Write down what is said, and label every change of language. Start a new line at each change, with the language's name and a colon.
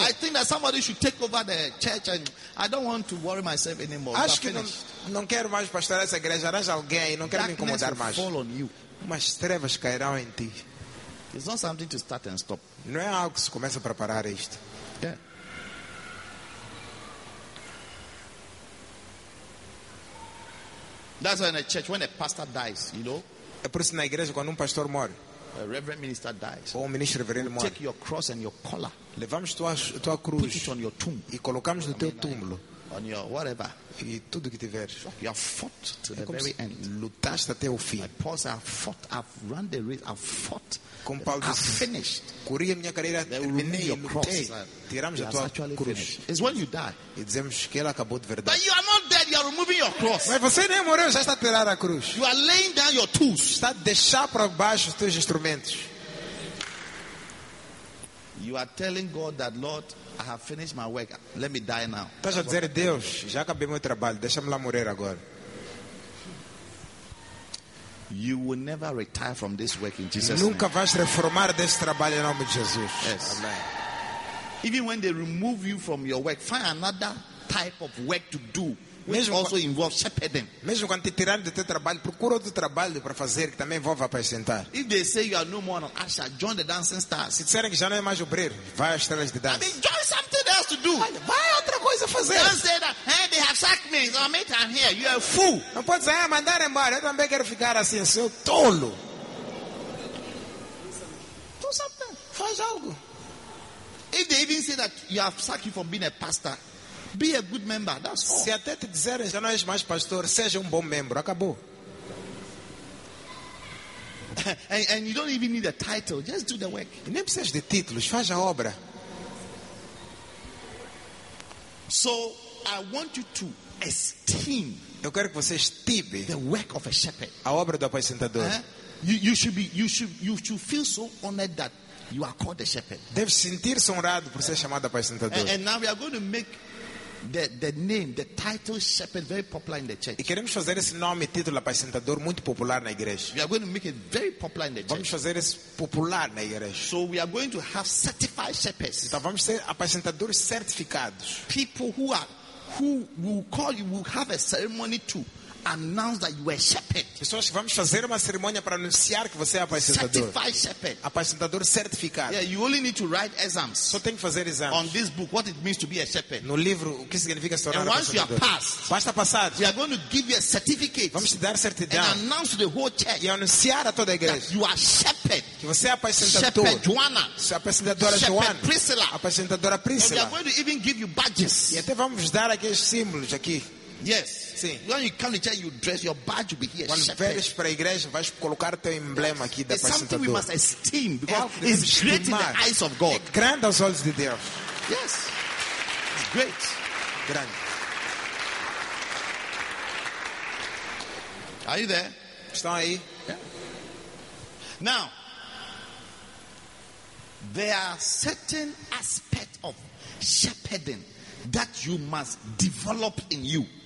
English: I think that somebody should take over the church and I don't want to worry myself anymore.
Portuguese: Acho que não quero mais pastorear essa igreja, arranja alguém, não quero me incomodar mais.
English: Fall on you.
Portuguese: Umas trevas cairão em ti.
English: It's not something to start and stop.
Portuguese: Não é algo que se começa a preparar isto.
English: Yeah. That's when a church, when a pastor dies, you know?
Portuguese: É por isso na igreja quando pastor morre.
English: A reverend minister dies.
Portuguese: Ou ministro reverendo morre.
English: Take your cross and your collar.
Portuguese: Levamos tua cruz.
English: Put it on your tomb.
Portuguese: E colocamos no teu túmulo.
English: On your whatever.
Portuguese: E tudo que tiveres.
English: You have fought to the very end.
Portuguese: Lutaste até o fim.
English: My Paul, I've fought. I've run the race. I've fought.
Portuguese: Com Paulo
English: I've finished.
Portuguese: Corri a minha carreira. Terminei
English: your cross.
Portuguese: Tiramos a tua cruz.
English: Finished. It's when you die.
Portuguese: E dizemos que ela acabou de verdade.
English: But you are not dead. You are removing your cross.
Portuguese: Mas você nem morreu. Já está a tirar a cruz.
English: You are laying down your tools. Está a deixar para baixo os teus instrumentos. You are telling God that, Lord, I have finished my work. Let me die now.
Portuguese: Estás a dizer, Deus, já acabei meu trabalho. Deixa-me lá morrer agora.
English: You will never retire from this work in Jesus'
Portuguese: nunca Nunca vais reformar desse trabalho em nome de Jesus.
English: Yes. Amen. Even when they remove you from your work, find another type of work to do, which
Portuguese: mesmo
English: also involves shepherding.
Portuguese: Mesmo quando te tirarem do teu trabalho, procura outro trabalho para fazer que também envolva apacentar.
English: If they say you are no more an usher, join the dancing stars.
Portuguese: Se disserem que já não é mais obreiro, vai às estrelas de dança.
English: I mean, join something else to do.
Portuguese: Vai outra coisa fazer.
English: Don't say that, hey, they have sacked me, so I'm here. You are a fool.
Portuguese: Não pode dizer, mandar embora. Eu também quero ficar assim, seu tolo.
English: Do something.
Portuguese: Faz algo.
English: If they even say that you have sacked you from being a pastor, Be a good member. That's all.
Portuguese: Se até te disserem, já não és mais pastor, seja bom membro. Acabou.
English: And you don't even need a title. Just do the work.
Portuguese: Nem precisas de títulos, faz a obra.
English: So, I want you to esteem.
Portuguese: Eu quero que você estime
English: the work of a shepherd.
Portuguese: A obra do apacentador.
English: You should feel so honored that you are called a shepherd.
Portuguese: Deve sentir-se honrado por ser chamado apacentador.
English: And now we are going to make the name, the title shepherd very popular in the church.
Portuguese: E queremos fazer esse nome, título apacentador, muito popular na igreja.
English: We are going to make it very popular in the church.
Portuguese: Vamos fazer isso popular na igreja.
English: So we are going to have certified shepherds.
Portuguese: Então vamos ter apacentadores certificados.
English: People who will call you will have a ceremony to announce that you are a shepherd.
Portuguese: Pessoas, vamos fazer uma cerimônia para anunciar que você é apacentador.
English: Certified shepherd.
Portuguese: Apacentador certificado.
English: Yeah, you only need to write exams.
Portuguese: Só tem que fazer exames.
English: On this book, what it means to be a shepherd.
Portuguese: No livro, o que significa se tornar apacentador.
English: And once You are passed,
Portuguese: basta passar.
English: We are going to give you a certificate.
Portuguese: Vamos te dar certidão.
English: And announce to the whole church.
Portuguese: E anunciar a toda a igreja.
English: That you are shepherd.
Portuguese: Que você é apacentador.
English: Shepherd Joana.
Portuguese: Se apacentadora
English: shepherd Joana. Shepherd Priscila.
Portuguese: Apacentadora Priscila.
English: And we are going to even give you badges.
Portuguese: E até vamos dar aqueles símbolos aqui.
English: Yes.
Portuguese: Sim.
English: When you come to church, you dress your badge will be here.
Portuguese: Quando vieres para a igreja, vais colocar teu emblema aqui da apacentador.
English: It's something we must esteem because it's great in the eyes of God.
Portuguese: É grande aos olhos de Deus.
English: Yes. It's great.
Portuguese: Grande.
English: Are you there?
Portuguese: Estão aí?
English: Yeah. Now, there are certain aspects of shepherding that you must develop in you.